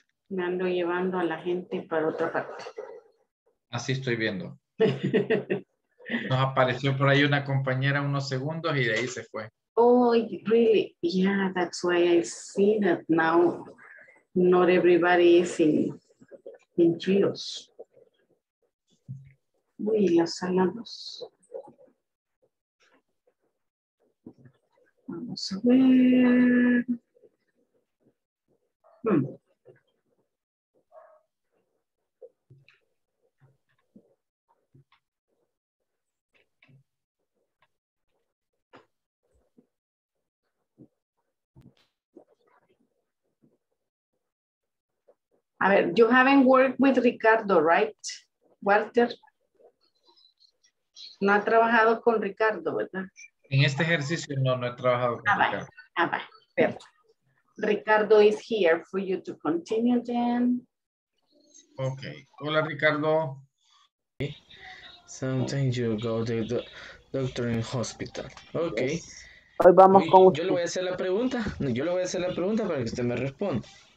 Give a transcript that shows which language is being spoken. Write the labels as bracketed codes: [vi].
[es] me ando llevando a la gente para otra parte. Así estoy viendo. Nos apareció por ahí una compañera unos segundos y de ahí se fue. [en] Oh, really? Yeah, that's why I see that now not everybody is in trios. [es] Uy, la sala 2. Vamos a ver. A ver, [en] you haven't worked with Ricardo, right, Walter? [es] No ha trabajado con Ricardo, ¿verdad? En este ejercicio no he trabajado con Ricardo. Ah, va, perdón. [en] Ricardo is here for you to continue then. [es] Okay. Hola, Ricardo. [en] Sometimes you go to the doctor in hospital. Okay. [es] Yes. Hoy vamos con usted. Yo le voy a hacer la pregunta para que usted me responda.